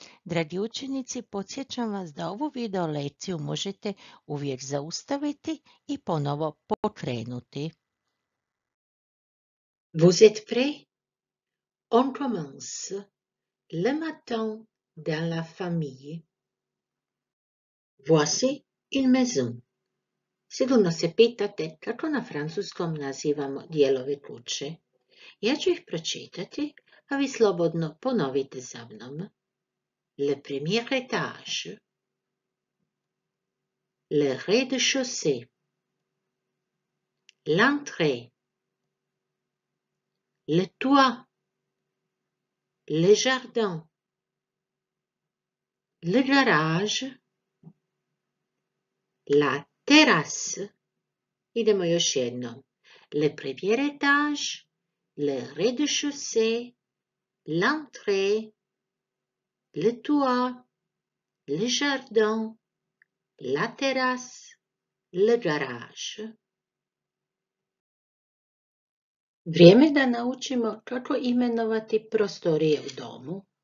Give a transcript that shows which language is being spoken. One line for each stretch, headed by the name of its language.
Croatian: Dragi učenici, podsjećam vas da ovu video lekciju možete uvijek zaustaviti i ponovo pokrenuti.
French: Vous êtes prêts? On commence. Le matin dans la famille. Voici une maison.
Croatian: Sigurno se pitate kako na francuskom nazivamo dijelove kuće. Ja ću ih pročitati, a vi slobodno ponovite za mnom.
French: Le premier étage, le rez-de-chaussée, l'entrée, le toit, le jardin, le garage, la terrasse.
Croatian: Idemo još jednom.
French: Le premier étage, le rez-de-chaussée, l'entrée, le toit, le jardin, la terrasse, le garage.
Croatian: Vrijeme da naučimo kako imenovati prostorije u domu.